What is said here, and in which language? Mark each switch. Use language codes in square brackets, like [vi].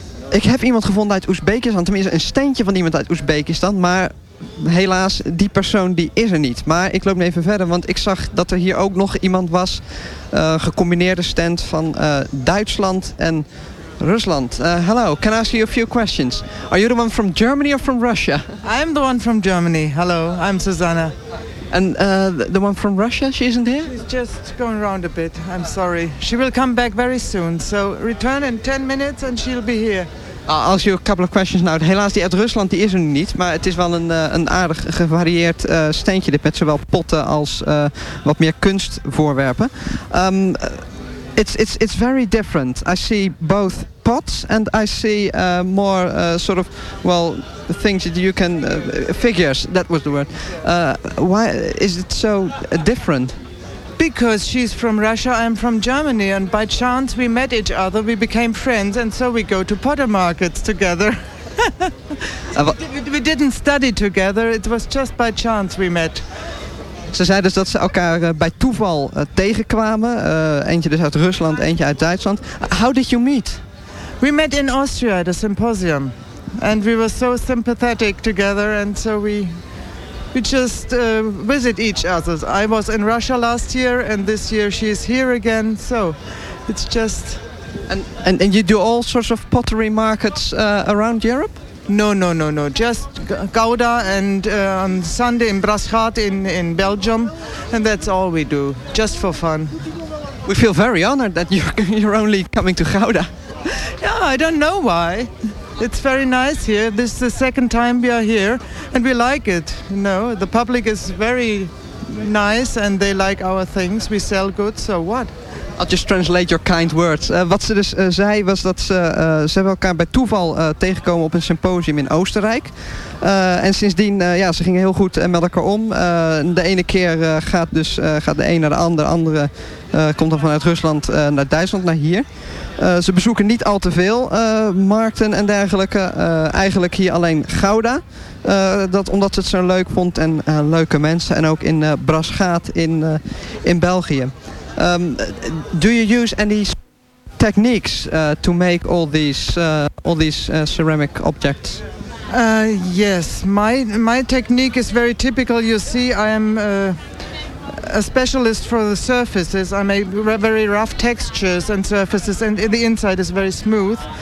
[nl] Ik heb iemand gevonden uit Oezbekistan, tenminste een steentje van iemand uit Oezbekistan, maar helaas, die persoon die is er niet. Maar ik loop even verder, want ik zag dat er hier ook nog iemand was, gecombineerde stand van Duitsland en Rusland. [en] Hello, can I ask you a few questions? Are you the one from Germany or from Russia? I am the one from Germany. Hello, I'm Susanna. And the one from Russia, she isn't here? She's just going around a bit, I'm sorry. She will come back very soon, so return in 10 minutes and she'll be here. I'll ask you a couple of questions now. [nl] Helaas, die uit Rusland die is er niet, maar het is wel een aardig gevarieerd steentje dit, met zowel potten als wat meer kunstvoorwerpen. [en] It's very different. I see both pots and I see more sort of, well, the things that you can, figures, that was the word. Why is it so different? Because she's from Russia, I'm from Germany, and by chance we met each other, we became friends, and so we go to potter markets together. we didn't study together, it was just by chance we met. [nl] Ze zei dus dat ze elkaar bij toeval tegenkwamen. Eentje dus uit Rusland, eentje uit Duitsland. [en] How did you meet? We met in Austria at a symposium. And we were so sympathetic together. And so we just visit each other. I was in Russia last year and this year she is here again. So it's just... And you do all sorts of pottery markets around Europe? No. Just Gouda and on Sunday in Braschaat in Belgium, and that's all we do, just for fun. We feel very honored that you're only coming to Gouda. Yeah, I don't know why. It's very nice here. This is the second time we are here, and we like it. You know, the public is very nice, and they like our things. We sell good, so what? I'll just translate your kind words. [nl] Wat ze dus zei was dat ze hebben elkaar bij toeval tegengekomen op een symposium in Oostenrijk. En sindsdien, ze gingen heel goed met elkaar om. De ene keer gaat de een naar de ander. De andere komt dan vanuit Rusland naar Duitsland, naar hier. Ze bezoeken niet al te veel markten en dergelijke. Eigenlijk hier alleen Gouda. Omdat ze het zo leuk vond en leuke mensen. En ook in Braschaat in België. [en] Do you use any techniques to make all these ceramic objects? Yes, my technique is very typical. You see, I am a specialist for the surfaces. I make very rough textures and surfaces, and the inside is very smooth.